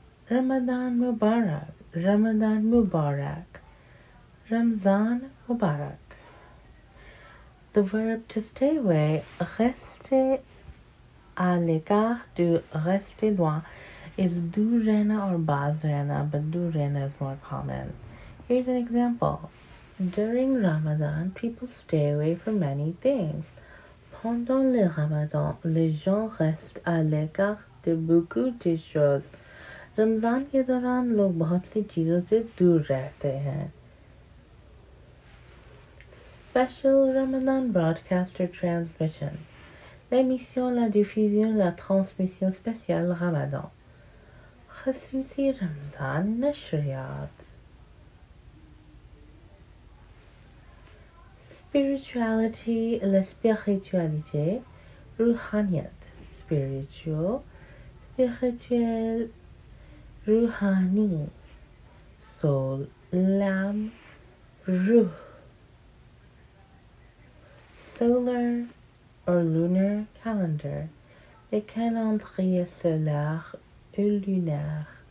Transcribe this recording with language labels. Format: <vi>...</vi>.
<en>Ramadan Mubarak, Ramadan Mubarak, Ramzan Mubarak. The verb to stay away,</en> <fr>rester à l'écart du rester loin</fr> <en>is</en> <ur>dur rehna or baz rehna,</ur> <en>but</en> <ur>dur rehna</ur> <en>is more common. Here's an example. During Ramadan, people stay away from many things.</en> <fr>Pendant le Ramadan, les gens restent à l'écart de beaucoup de choses.</fr> <ur>رمضان کے دوران لوگ بہت سی چیزوں سے دور رہتے ہیں.</ur> <en>Special Ramadan broadcaster transmission.</en> <fr>L'émission, la diffusion, la transmission spéciale Ramadan.</fr> <ur>خصوصی رمضان نشریات.</ur> <en>Spirituality,</en> <fr>la spiritualité,</fr> <ur>روحانیت.</ur> <en>Spiritual,</en> <fr>spirituel,</fr> <ur>روحانی.</ur> <en>Soul, lam,</en> <ur>روح.</ur> <en>Solar or lunar calendar.</en> <fr>Le calendrier solaire ou lunaire.</fr>